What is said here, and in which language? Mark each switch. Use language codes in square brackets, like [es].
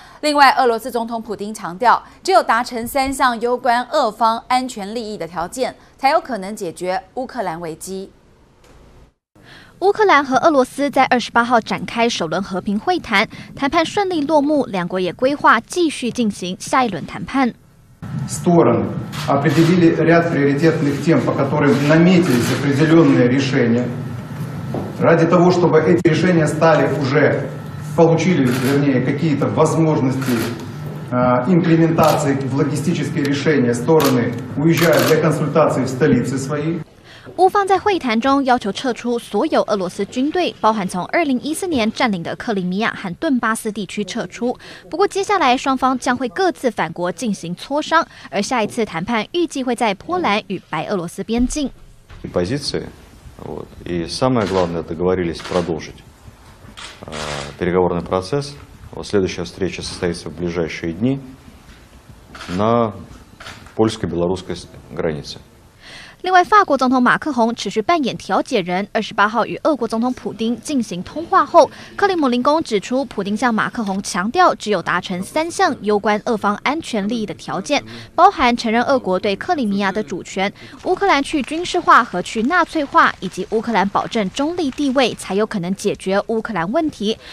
[zh] 另外，俄罗斯总统普丁强调，只有达成三项攸关俄方安全利益的条件，才有可能解决乌克兰危机。乌克兰和俄罗斯在28号展开首轮和平会谈，谈判顺利落幕，两国也规划继续进行下一轮谈判。 [ru] Стороны определили ряд приоритетных тем, по которым наметились определенные решения. Ради того, чтобы эти решения стали уже получили, вернее, какие-то возможности имплементации в логистические решения, стороны уезжают для консультаций в столице своей. [zh] 乌方在会谈中要求撤出所有俄罗斯军队，包含从2014年占领的克里米亚和顿巴斯地区撤出。不过接下来双方将会各自反国进行磋商，而下一次谈判预计会在波兰与白俄罗斯边境。 [ru] Позиции, вот, и самое главное, договорились продолжить переговорный процесс. Вот следующая встреча состоится в ближайшие дни на польско-белорусской границе. [zh] 另外，法国总统马克宏持续扮演调解人，28号与俄国总统普丁进行通话后，克里姆林宫指出，普丁向马克宏强调，只有达成三项攸关俄方安全利益的条件，包含承认俄国对克里米亚的主权、乌克兰去军事化和去纳粹化，以及乌克兰保证中立地位，才有可能解决乌克兰问题。